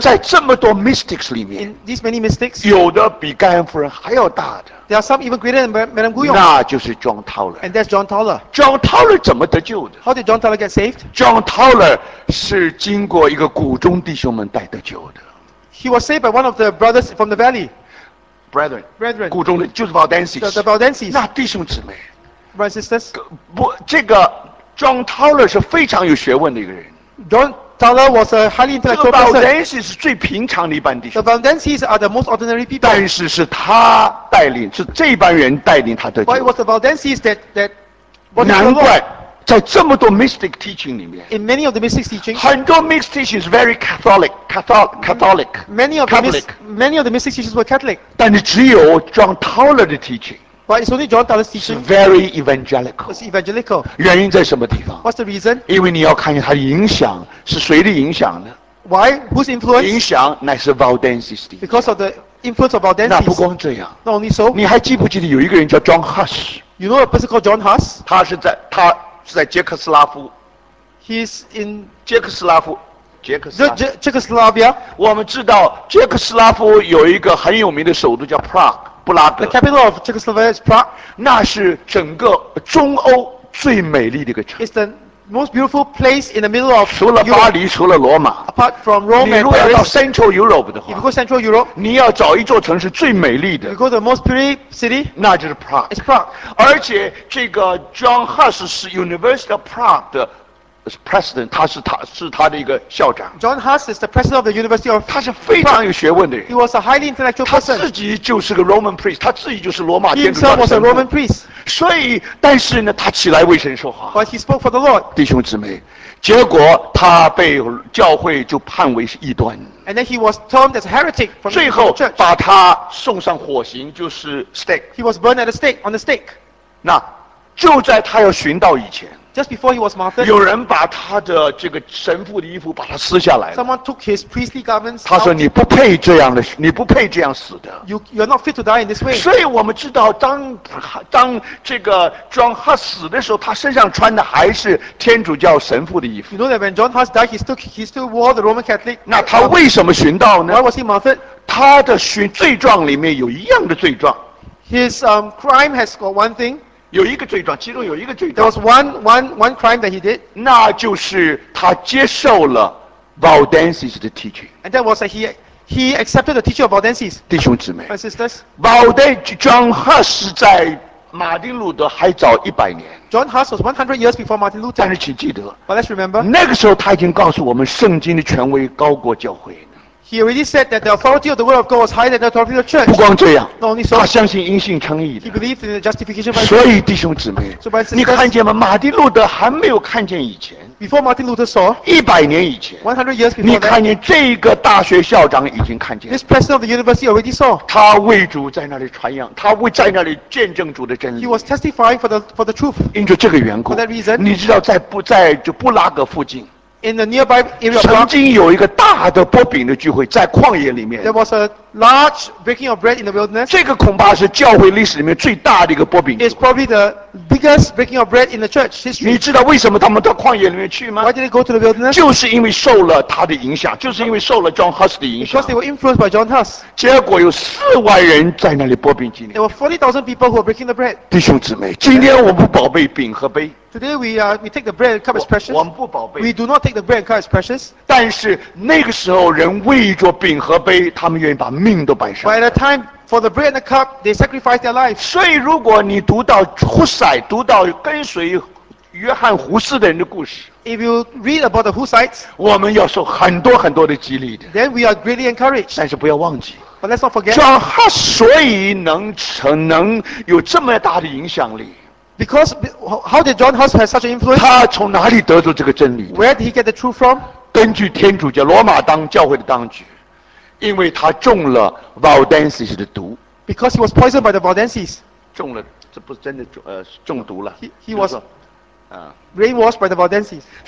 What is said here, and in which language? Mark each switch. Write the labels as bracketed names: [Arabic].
[Chinese] 在这么多 mystics 里面 [English] ，In these many mystics, [Chinese] 有的比盖恩夫人还要大的。 [English] There are some even greater than Madame Guyon. [Chinese] 那就是 John Towler. [English] And that's John Towler. [Chinese] John Towler 怎么得救的 [English] ？How did John Towler get saved? [Chinese] John Towler 是经过一个谷中弟兄们带得救的。 [English] He was saved by one of the brothers from the valley. Brethren. [Chinese] 谷中的就是 Valdenses. [English] The Valdenses. [Chinese] 那弟兄姊妹 [English] ，Brothers and sisters. [Chinese] 不，这个 John Towler 是非常有学问的一个人。 [English] John Towler was a highly intellectual person. [Chinese] The Valdenses 是最平常的一班弟兄。 [English] The Valdenses are the most ordinary people. [Chinese] 但是是他带领，是这班人带领他的。 [English] But it was the Valdenses that. [Chinese] 难怪在这么多 [English] mystic teaching [Chinese] 里面。 [English] In many of the mystic teaching. [Chinese] 很多 [English] mystic teaching is very Catholic. Many of the mystic teachings were Catholic. [Chinese] 但是只有 John Towler 的 teaching. [English] But it's only John Towler's teaching. Very evangelical. It's evangelical. [Chinese] 原因在什么地方 [English] ？What's the reason？ [Chinese] 因为你要看见他的影响是谁的影响呢 [English] ？Why? Whose influence？ [Chinese] 影响乃是 Valdenses 的。 [English] Because of the influence of Valdenses. [Chinese] 那不光这样。 [English] Not only so. [Chinese] 你还记不记得有一个人叫 John Huss？ [English] You know a person called John Huss？ [Chinese] 他是在捷克斯拉夫。 [English] He's in [Chinese] 捷克斯拉夫。捷克斯拉夫。我们知道捷克斯拉夫有一个很有名的首都叫 Prague， 布拉格。 [English] The capital of Czechoslovakia is Prague。 [Chinese] 那是整个中欧最美丽的一个城。 [English] It's the most beautiful place in the middle of. [Chinese] 除了巴黎，除了罗马。 [English] Apart from Rome and Paris。 [Chinese] 你如果要到 Central Europe 的话。 [English] If you go Central Europe。 [Chinese] 你要找一座城市最美丽的。 [English] You go the most pretty city。 [Chinese] 那就是 Prague。 [English] It's Prague。 [Chinese] 而且这个 John Huss 是 University of Prague 的。 President， 他是他的一个校长。 [English] John Huss is the president of the University of. [Chinese] 他是非常有学问的人。 [English] He was a highly intellectual person. [Chinese] 他自己就是个 [English] Roman priest， [Chinese] 他自己就是罗马天主教的神父。 [English] He himself was a Roman priest. [Chinese] 所以，但是呢，他起来为神说话。 [English] But he spoke for the Lord. [Chinese] 弟兄姊妹，结果他被教会就判为是异端。 [English] And then he was termed as a heretic from the church. [Chinese] 最后把他送上火刑，就是 stake. [English] He was burned at a stake on the stake. [Chinese] 那就在他要寻道以前。 [English] Just before he was martyred, [Chinese] 有人把他的这个神父的衣服把他撕下来。 [English] Someone took his priestly garments. [Chinese] 他说你不配这样的，你不配这样死的。 [English] You are not fit to die in this way. [Chinese] 所以我们知道当这个 John Huss 死的时候，他身上穿的还是天主教神父的衣服。 [English] You know that when John Huss died, he still wore the Roman Catholic. [Chinese] 那他为什么殉道呢 [English] ？Why was he martyred? [Chinese] 他的罪状里面有一样的罪状。 [English] His crime has got one thing. [Chinese] 有一个罪状，其中有一个罪状。 [English] There was one crime that he did. [Chinese] 那就是他接受了 Valdenses 的 teaching. [English] And that was that he accepted the teaching of Valdenses. [Chinese] 弟兄姊妹 [English] ，My sisters. [Chinese] John Huss 在马丁路德还早100年。 [English] John Huss was 100 years before Martin Luther. [Chinese] 但是请记得 [English] ，But let's remember. [Chinese] 那个时候他已经告诉我们，圣经的权威高过教会。 [English] He already said that the authority of the word of God was higher than the authority of the church. [Chinese] 不光这样 [English] ，Not only so. [Chinese] 他相信因信称义的。 [English] He believed in the justification by faith. [Chinese] 所以弟兄姊妹，你看见吗？马丁路德还没有看见以前。 [English] Before Martin Luther saw. [Chinese] 100年以前。 [English] 100 years before. [Chinese] 你看见这个大学校长已经看见。 [English] This president of the university already saw. [Chinese] 他为主在那里传扬，他为在那里见证主的真理。 [English] He was testifying for the truth. [Chinese] 因着这个缘故。 [English] For that reason. [Chinese] 你知道在就布拉格附近。 [English] In the nearby area, [Chinese] 曾经有一个大的波饼的聚会在旷野里面。 [English] There was a large breaking of bread in the wilderness. [Chinese] 这个恐怕是教会历史里面最大的一个波饼。 [English] It's probably the biggest breaking of bread in the church history. [Chinese] 你知道为什么他们到旷野里面去吗 [English] ？Why did they go to the wilderness? [Chinese] 就是因为受了他的影响，就是因为受了 John Huss 的影响。 [English] Because they were influenced by John Huss. [Chinese] 结果有40,000人在那里波饼纪念。 [English] There were 40,000 people who were breaking the bread. [Chinese] 弟兄姊妹，今天我们宝贝饼和杯。 [English] Today we take the bread and cup as precious. [Chinese] 我们不宝贝。 [English] We do not take the bread and cup as precious. [Chinese] 但是那个时候，人为一桌饼和杯，他们愿意把命都摆上。 [English] By the time for the bread and the cup, they sacrificed their life. [Chinese] 所以，如果你读到胡塞，读到跟随约翰胡适的人的故事。 [English] If you read about the Hussites, [Chinese] 我们要受很多很多的激励的。 [English] Then we are greatly encouraged. [Chinese] 但是不要忘记。 [English] But let's not forget. [Chinese] 约翰他所以能有这么大的影响力。 [English] Because how did John Huss have such an influence? [Chinese] 他从哪里得到这个真理 [English] 的？ Where did he get the truth from? [Chinese] 根据天主教罗马当教会的当局，因为他中了 Valdensis 的毒。 [English] Because he was poisoned by the Valdensis. [Chinese] 中了，这不是真的中毒了。 [English] He was brainwashed by the Valdensis.